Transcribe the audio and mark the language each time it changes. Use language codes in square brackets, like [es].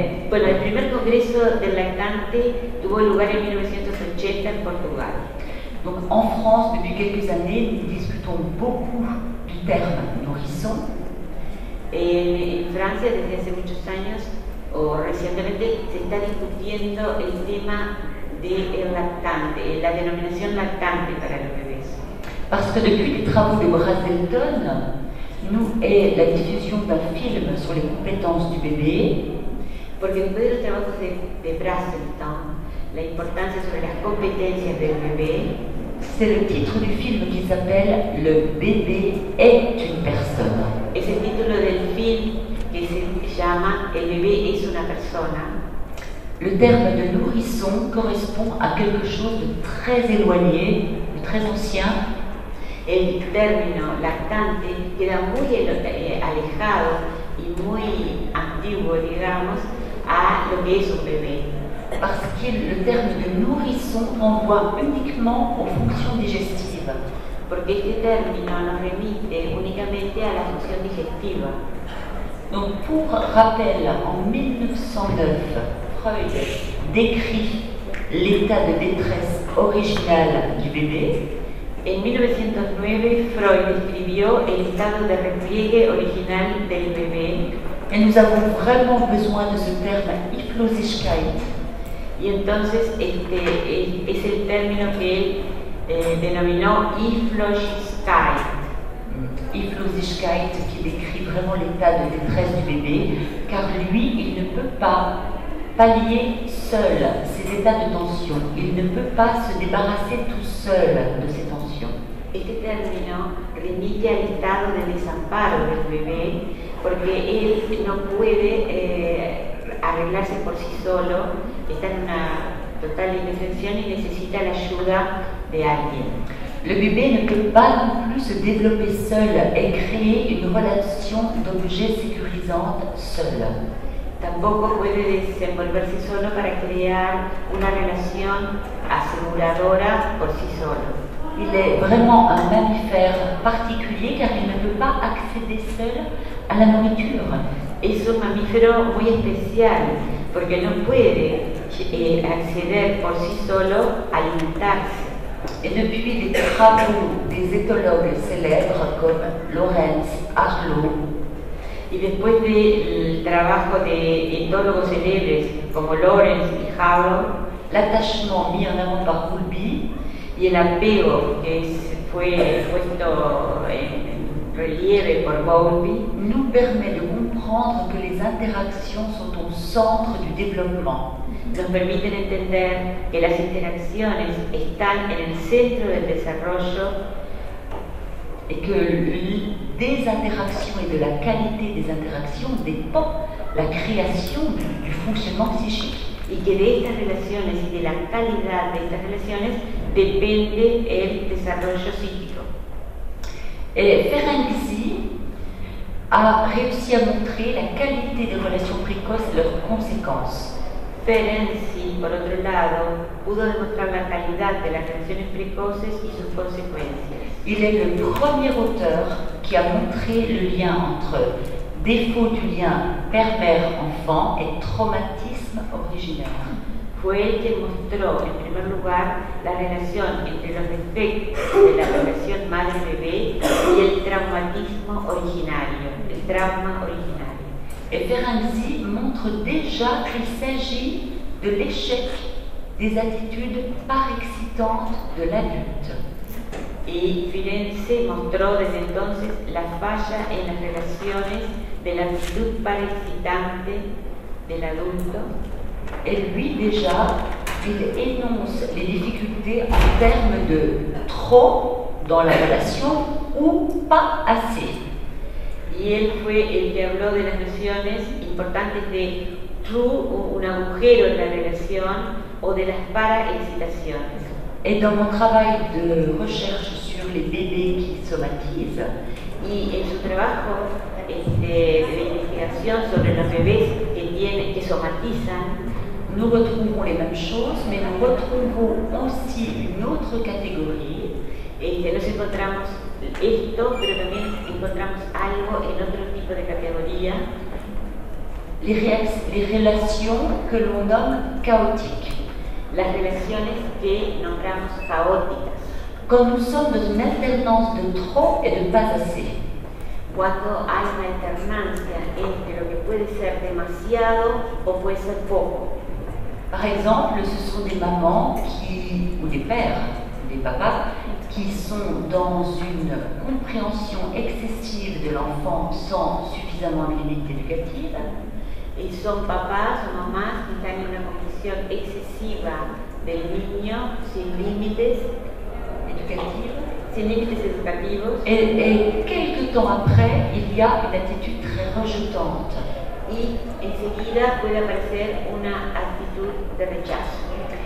[es] Bueno, el primer congreso del lactante tuvo lugar en 1980 en Portugal. [fr] Donc en France, depuis quelques années, nous discutons beaucoup du terme nourrisson. [es] En Francia, desde hace muchos años, o recientemente, se está discutiendo el tema del lactante, la denominación lactante para los bebés. [fr] Parce que depuis les travaux de Brazelton, nous est la diffusion d'un film sur les compétences du bébé. [es] Porque después de los trabajos de Brazelton, la importancia sobre las competencias del bebé. [fr] C'est le titre du film qui s'appelle Le bébé est une personne. Et c'est le titre du film qui s'appelle Le bébé est une personne. Le terme de nourrisson correspond à quelque chose de très éloigné, de très ancien. Et le terme [es] lactante queda muy alejado et muy antiguo, digamos, à lo que est un bébé. [fr] Parce que le terme de nourrisson renvoie uniquement aux fonctions digestives. [es] Porque este término nos remite únicamente a la función digestiva. [fr] Donc, pour rappel, en 1909, Freud décrit l'état de détresse original du bébé. [es] En 1909, Freud escribió el estado de repliegue original del bébé. [fr] Et nous avons vraiment besoin de ce terme Iflosigkeit. [es] Y entonces es el término que él denominó Iflosigkeit. [fr] Iflosigkeit, qui décrit vraiment l'état de détresse du bébé, car lui, il ne peut pas pallier seul ses états de tension. Il ne peut pas se débarrasser tout seul de ses tensions. [es] Este término remite al estado de desamparo del bebé, porque él no puede arreglarse por sí solo, está en una total indefensión y necesita la ayuda de alguien. [fr] Le bébé ne peut pas non plus se développer seul et créer une relation d'objet sécurisante seul. [es] Tampoco puede desenvolverse solo para crear una relación aseguradora por sí solo. [fr] Il est vraiment un mammifère particulier car il ne peut pas accéder seul à la nourriture. [es] Es un mamífero muy especial porque no puede acceder por sí solo a alimentarse. [fr] Et depuis les travaux des éthologues célèbres comme Lorenz Arlot, [es] y después del trabajo de etólogos célebres como Lorenz y Harlow, [fr] l'attachement mis en avant par Roulby [es] y el apego que fue puesto en relieve por Bowlby, [fr] nous permet de comprendre que les interactions sont au centre du développement. [es] Nos permiten entender que las interacciones están en el centro del desarrollo. [fr] Et que des interactions et de la qualité des interactions dépend la création du fonctionnement psychique. [es] Et que de estas relaciones y de la calidad de estas relaciones depende el desarrollo psíquico. [fr] Ferenczi a réussi à montrer la qualité des relations précoces et leurs conséquences. [es] Ferenczi, por otro lado, pudo demostrar la calidad de las relaciones precoces y sus consecuencias. [fr] Il est le premier auteur qui a montré le lien entre défaut du lien père-mère-enfant et traumatisme originaire. [es] Fue el que mostró, en primer lugar, la relación entre los efectos de la relación madre-bebé y el traumatismo originario, el trauma originario. [fr] Et Ferenczi montre déjà qu'il s'agit de l'échec des attitudes parexcitantes de l'adulte. [es] Y Firenze mostró desde entonces la falla en las relaciones de la actitud parexcitante del adulto. [fr] Et lui déjà, il énonce les difficultés en termes de trop dans la relation ou pas assez. [es] Y él fue el que habló de las relaciones importantes de trop, un agujero en la relación, o de las paraexcitaciones. [fr] Et dans mon travail de recherche sur les bébés qui somatisent, [es] et en su trabajo de investigación sobre los bebés que tienen que somatizan, [fr] nous retrouvons les mêmes choses, mais nous retrouvons aussi une autre catégorie. Et nous [es] encontramos esto, pero también encontramos algo en otro tipo de categoría. [fr] Les relations que l'on nomme chaotiques. [es] Las relaciones que nombramos caóticas. [fr] Quand nous sommes dans une alternance de trop et de pas assez. [es] Cuando hay una alternancia entre lo que puede ser demasiado o puede ser poco. [fr] Par exemple, ce sont des mamans qui, ou des pères, ou des papas, qui sont dans une compréhension excessive de l'enfant sans suffisamment de limites éducatives. [es] Y son papás o mamás que están en una condición excesiva del niño sin límites educativos. Sin límites educativos. [fr] Et quelques temps après, il y a une attitude très rejetante. [es] Y enseguida puede aparecer una actitud de rechazo.